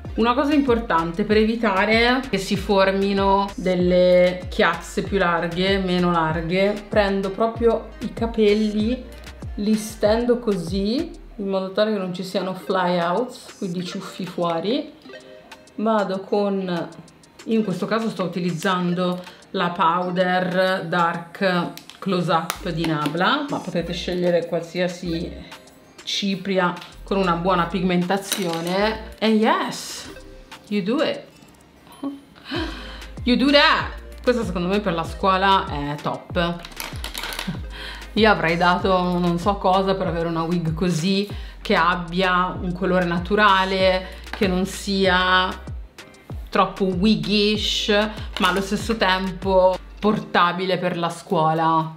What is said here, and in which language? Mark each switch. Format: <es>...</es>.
<it>Una cosa importante per evitare che si formino delle chiazze più larghe, meno larghe, prendo proprio i capelli, li stendo così in modo tale che non ci siano fly outs, quindi ciuffi fuori. Vado con, in questo caso sto utilizzando la powder dark close up di Nabla, ma potete scegliere qualsiasi cipria con una buona pigmentazione.</it> <en>And yes, you do it, you do that.</en> <it>Questa secondo me per la scuola è top. Io avrei dato non so cosa per avere una wig così, che abbia un colore naturale, che non sia troppo wiggish, ma allo stesso tempo portabile per la scuola.</it>